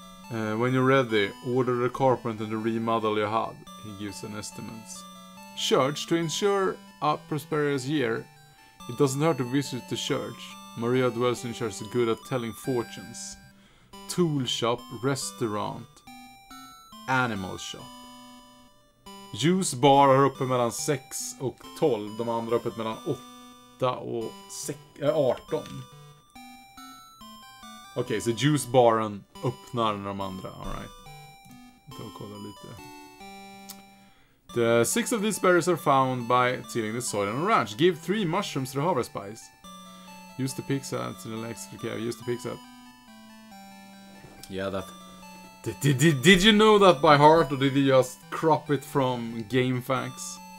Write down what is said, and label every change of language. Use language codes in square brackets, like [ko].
[en] When you're ready, order the carpenter to remodel your hut. He gives an estimate. Church, to ensure a prosperous year, it doesn't hurt to visit the church. Maria dwells in church, is good at telling fortunes. Tool shop, restaurant, animal shop. [sv] Juice Bar har öppet mellan 6 och 12. De andra har öppet mellan 8 och 18. Okej, okay, så Juice Baren öppnar när de andra. All right. Vi tar och kollar lite. [en] The 6 of these berries are found by tilling the soil and ranch. Give 3 mushrooms to the harvest spice. Use the pixel to the next cave. Use the pixel. Yeah, that. Did you know that by heart or did you just crop it from GameFAQs?